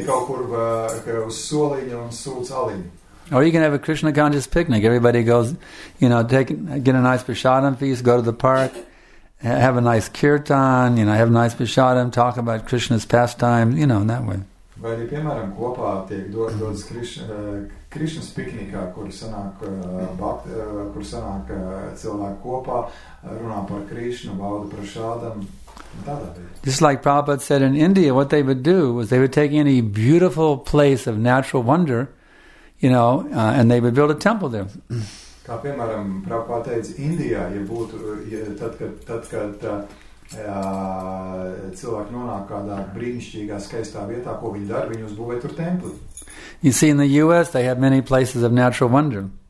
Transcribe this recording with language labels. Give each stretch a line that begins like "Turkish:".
Latvian: Es kaut kur uz soliņu un sūc aliņu.
English: Or you can have a Krishna conscious picnic. Everybody goes, you know, get a nice prasadam feast, go to the park, have a nice kirtan, you know, have a nice prasadam, talk about Krishna's pastime, you know, in that way.
Latvian: Vai arī, piemēram, kopā tiek dodas Krishna's piknikā, kur sanāk cilvēki kopā, runā par Krishna, bauda prasadam.
English: Just like Prabhupada said in India, what they would do was they would take any beautiful place of natural wonder, you know, and they would build a temple there.
Latvian: Kā piemēram, Prabhupāda teica, Indijā, ja būtu, ja, tad, kad cilvēki nonāk kādā brīnišķīgā, skaistā vietā, ko viņi dar, viņi uzbūvē tur templi.
English: You see, in the US, they have many places of natural wonder.